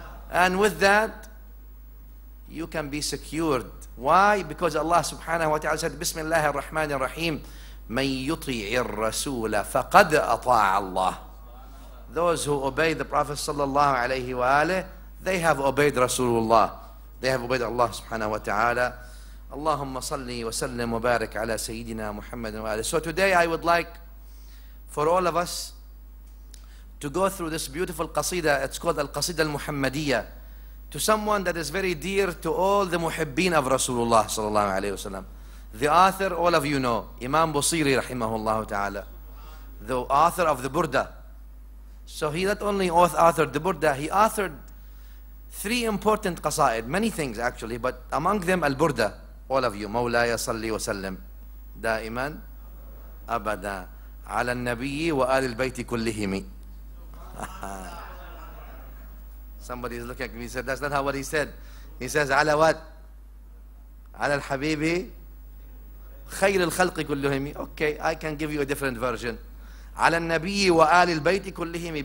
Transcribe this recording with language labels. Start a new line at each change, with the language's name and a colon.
English: And with that, you can be secured. Why? Because Allah subhanahu wa ta'ala said,
Arabic: Bismillah ar-Rahman ar-Rahim. مَنْ يُطِعِ الرَّسُولَ فَقَدْ أَطَاعَ اللَّهِ.
English: Those who obey the Prophet sallallahu alayhi wa alayhi, they have obeyed Rasulullah. They have obeyed Allah subhanahu wa ta'ala.
Arabic: اللهم صلي وسلم وبارك على سيدنا محمد وآله.
English: So today I would like for all of us to go through this beautiful qasida. It's called Al-Qasida Al-Muhammadiyya, to someone that is very dear to all the muhibbin of Rasulullah sallallahu alayhi wa sallam. The author, all of you know, Imam Busiri rahimahullah ta'ala, the author of the Burda. So he not only authored the Burda, he authored three important qasaid, many things actually, but among them Al-Burda. All of you,
Arabic: مولاي صلي وسلم دائما أبدا على النبي وآل البيت كلهم.
English: Somebody is looking at me, he said, that's not how what he said. He says, على what?
Arabic: على الحبيب خير الخلق كلهم.
English: Okay, I can give you a different version.
Arabic: على النبي وآل البيت كلهم.